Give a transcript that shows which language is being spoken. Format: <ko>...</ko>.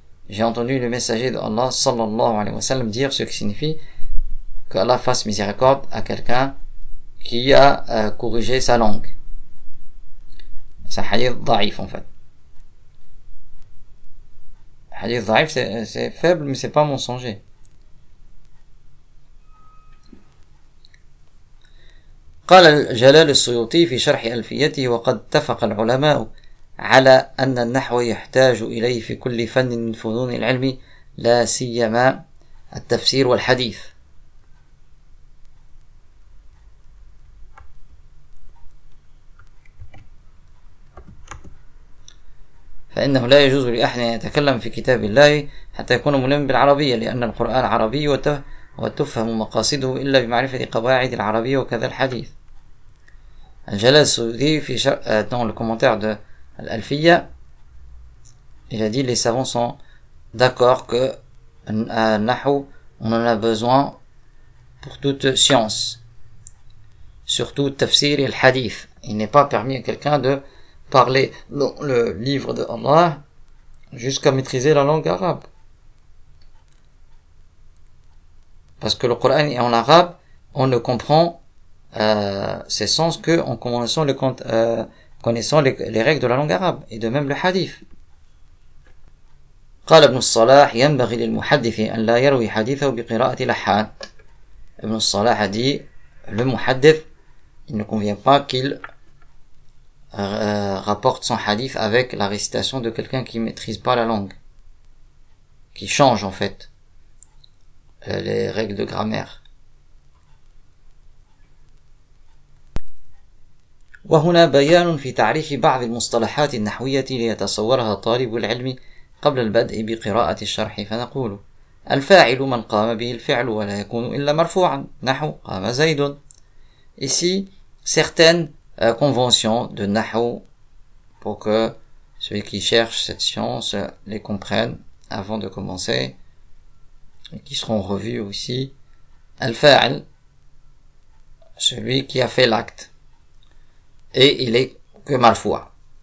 <fr>J'ai entendu le messager d'Allah sallallahu alayhi wa sallam dire ce qui signifie que Allah fasse miséricorde à quelqu'un qui a corrigé sa langue. C'est un hadith da'if en fait. Hadith da'if c'est faible mais c'est pas mensonger.</fr> <ar>قال الجلال السيوطي في شرح ألفيته وقد اتفق العلماء على أن النحو يحتاج إليه في كل فن من فنون العلم لا سيما التفسير والحديث. فإنه لا يجوز لأحد أن يتكلم في كتاب الله حتى يكون ملم بالعربية لأن القرآن عربي وتفهم مقاصده إلا بمعرفة قواعد العربية وكذا الحديث.</ar> <fr>Al-Jalal Soudi, dans le commentaire de Al-Alfiya, il a dit, les savants sont d'accord que Nahu, on en a besoin pour toute science. Surtout tafsir et le hadith. Il n'est pas permis à quelqu'un de parler dans le livre de Allah jusqu'à maîtriser la langue arabe. Parce que le Coran est en arabe, on ne comprend ses sens qu'en connaissant les règles de la langue arabe et de même le hadith.</fr> <ar>قال ابن الصلاح ينبغي للمحدث أن لا يروي حديثه بقراءة لحان.</ar> <fr>ابن الصلاح دي المحدث il ne convient pas qu'il rapporte son hadith avec la récitation de quelqu'un qui ne maîtrise pas la langue, qui change en fait les règles de grammaire.</fr> <ar>وهنا بيان في تعريف بعض المصطلحات النحوية ليتصورها طالب العلم قبل البدء بقراءة الشرح فنقول الفاعل من قام به الفعل ولا يكون إلا مرفوعا نحو قام زيد.</ar> <fr>Ici, certaines conventions de Nahu pour que celui qui cherche cette science les comprenne avant de commencer et qui seront revues aussi. Al-fa'il, celui qui a fait l'acte, et il est que marfoua.</fr>